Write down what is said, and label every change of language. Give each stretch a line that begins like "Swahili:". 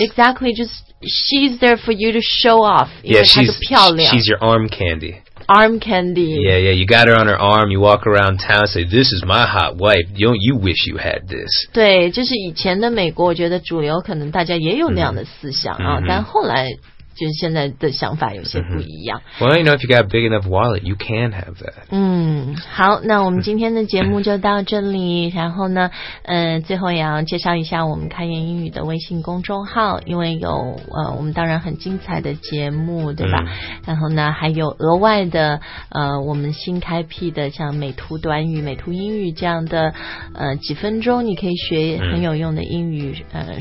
English: exactly just she's there for you to show off yeah
Chinese: 因为她就漂亮
English: she's your arm candy arm candy yeah yeah you got her on her arm you walk around town say this is my hot wife you wish you had this
Chinese: 对就是以前的美国我觉得主流可能大家也有那样的思想啊、 mm-hmm. 但后来就是现在的想法有些不一样、 mm-hmm.
English: well you know if you got a big enough wallet you can have that
Chinese: 好那我们今天的节目就到这里然后呢最后也要介绍一下我们开言英语的微信公众号因为有我们当然很精彩的节目对吧、 mm-hmm. 然后呢还有额外的我们新开辟的像美图短语美图英语这样的几分钟你可以学很有用的英语、mm-hmm.